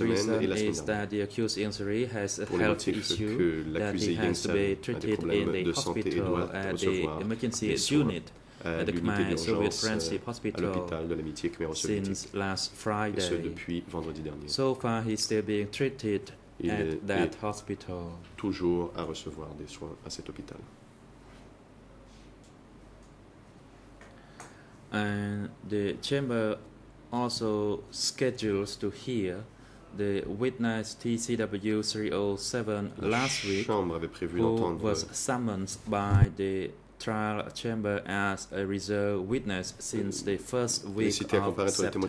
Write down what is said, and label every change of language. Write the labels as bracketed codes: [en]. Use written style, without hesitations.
[en] reason is that the accused injury has a health issue that he has to be treated in the hospital at the emergency unit at the Khmer Soviet Friendship Hospital since last Friday. So far, he's still being treated at that hospital. [fr] Toujours à recevoir des soins à cet hôpital. [en] And the chamber also schedules to hear the witness TCW 307 last week, who was summoned by the trial chamber as a reserve witness since the first week of September